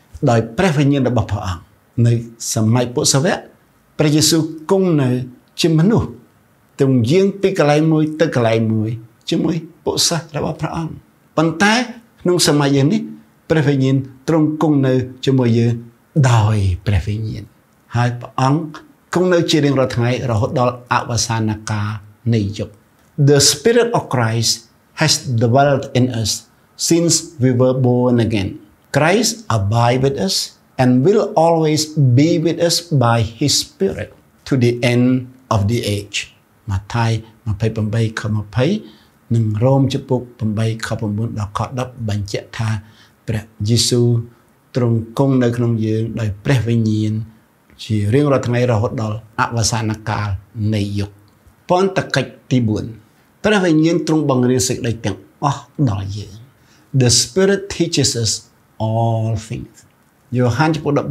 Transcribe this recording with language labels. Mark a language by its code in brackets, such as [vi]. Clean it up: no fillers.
[km] ដោយព្រះវិញ្ញាណរបស់ព្រះអង្គនៅសម័យពុទ្ធសាវកព្រះយេស៊ូវគង់នៅជាមនុស្សទ្រង់យាងពីកន្លែងមួយទៅកន្លែងមួយជាមួយពុទ្ធសាសន៍របស់ព្រះអង្គប៉ុន្តែក្នុងសម័យយើងនេះព្រះវិញ្ញាណទ្រង់គង់នៅជាមួយយើងដោយព្រះវិញ្ញាណហើយព្រះអង្គគង់នៅជារៀងរាល់ថ្ងៃរហូតដល់អវសានកាលនៃយុគ [en] The Spirit of Christ has dwelt in us since we were born again. Christ abides with us and will always be with us by his spirit to the end of the age. [km] Matthai 28:20 និង Rom ជំពូក 8:9 ដល់ខ 10 បញ្ជាក់ថាព្រះយេស៊ូវទ្រង់គង់នៅក្នុងយើងដោយព្រះវិញ្ញាណជារៀងរាល់ថ្ងៃរហូតដល់អវសានកាលនៃយុគពន្ធកិច្ចទី4ព្រះវិញ្ញាណទ្រង់បង្រៀនសេចក្តីទាំងអស់ដល់យើង [en] The spirit teaches usAll things. [km] Johann 14:26.